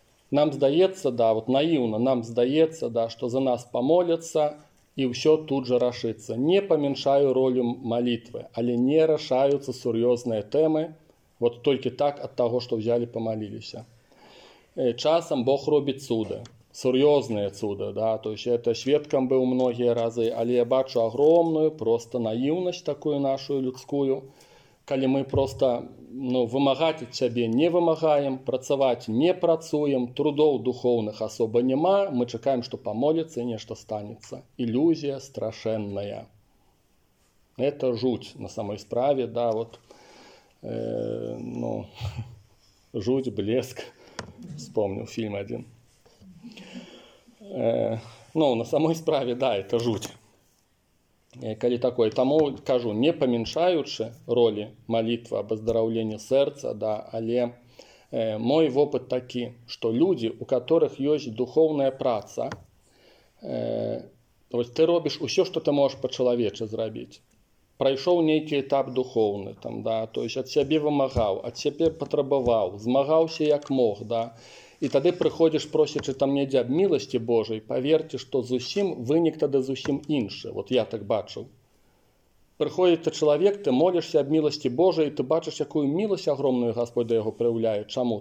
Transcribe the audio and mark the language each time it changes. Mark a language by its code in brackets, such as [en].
[uk] Нам здається, да, от наївно, нам здається, да, що за нас помоляться і все тут же рішиться. Не поменшаю роль молитви, але не рішаються серйозні теми, от тільки так від того, що взяли помолилися. Часом Бог робить цуди. Серйозне чудо, [ru] да, то есть это [uk] свідком був [ru] многие рази, але я бачу огромную просто наивность такую нашу людскую, коли мы просто, ну, вымогать от себе не вымогаем, працовать не працуем, трудов духовных особо нема, мы чекаем, что помолится и нечто станется. Иллюзия страшенная. Это жуть на самой справе, да, вот, ну, жуть, блеск, вспомнил фильм один. Ну, на самой справе, да, это жуть. Коли такое, тому кажу, не поменьшаючи роли молитвы об оздоровлении сердца, да, [uk] але мой опыт [ru] такой, что люди, у которых есть духовная праца, то есть ты робишь все, что ты можешь по-человече зробить. [uk] Пройшов некий этап духовный, там, да, [ru] то есть от себе вымогал, [uk] от себе потребовал, змагался, як мог, да, і тоді приходиш, просячи там недзе об милості Божої, повірте, що зусім винік тоді зусім інше. От я так бачив. Приходить чоловік, ти молишся об милості Божої, ти бачиш, яку милість огромну Господь до його проявляє. Чому?